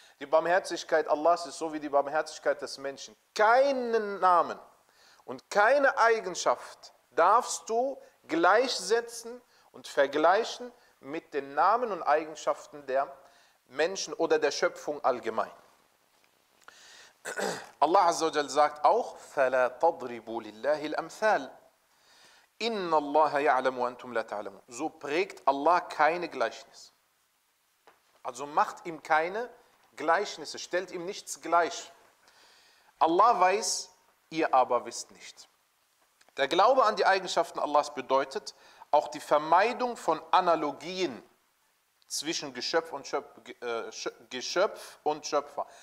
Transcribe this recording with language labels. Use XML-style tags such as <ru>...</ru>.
<de>Die Barmherzigkeit Allahs ist so wie die Barmherzigkeit des Menschen. Keinen Namen und keine Eigenschaft darfst du gleichsetzen und vergleichen mit den Namen und Eigenschaften der Menschen oder der Schöpfung allgemein. Allah Azza wa Jalla sagt auch,</de> <ar>فَلَا تَضْرِبُوا لِلَّهِ الْأَمْثَالِ إِنَّ اللَّهَ يَعْلَمُ وَأَنْتُمْ لَا تَعْلَمُ.</ar> <de>So prägt Allah keine Gleichnis. Also macht ihm keine Gleichnisse, stellt ihm nichts gleich. Allah weiß, ihr aber wisst nicht. Der Glaube an die Eigenschaften Allahs bedeutet auch die Vermeidung von Analogien zwischen Geschöpf und Schöpfer.</de>